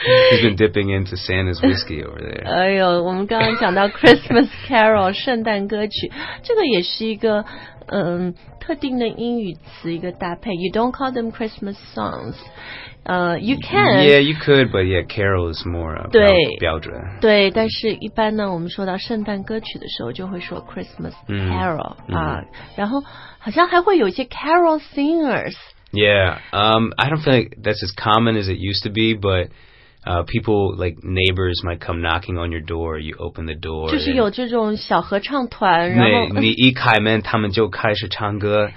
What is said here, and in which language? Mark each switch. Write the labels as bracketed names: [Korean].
[English] He's been dipping into Santa's whiskey over there. [Chinese] 哎呦我们刚刚讲到 Christmas carol, 圣诞歌曲。这个也是一个特定的英语词一个搭配。 [English] You don't call them Christmas songs. You can. Yeah, you could, but yeah, carol is more 标准。 [Chinese] 对，但是一般呢，我们说到圣诞歌曲的时候，就会说 Christmas carol 然后好像还会有一些 carol singers. [English] Yeah, I don't feel like that's as common as it used to be, but people like neighbors might come knocking on your door. You open the door. [Chinese] 就是有这种小合唱团，然后你一开门，他们就开始唱歌。